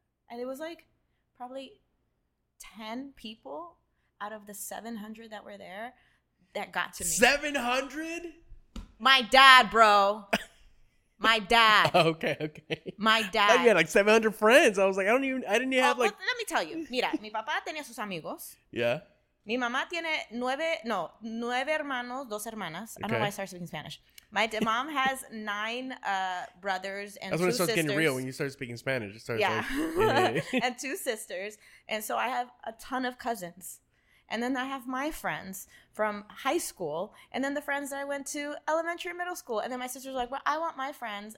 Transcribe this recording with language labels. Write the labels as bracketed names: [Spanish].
[English] And it was like probably 10 people out of the 700 that were there that got to me. 700? My dad, bro. My dad. Okay, okay. My dad. I thought you had like 700 friends. I was like, I didn't even have let me tell you. [Spanish] Mira, mi papá tenía sus amigos. [English] Yeah. [Spanish] Mi mamá tiene nueve hermanos, dos hermanas. [English] Okay. I don't know why I started speaking Spanish. My mom has nine brothers and two sisters. when it starts getting real, when you start speaking Spanish. It starts And two sisters. And so I have a ton of cousins. And then I have my friends from high school. And then the friends that I went to elementary and middle school. And then my sister's like, well, I want my friends.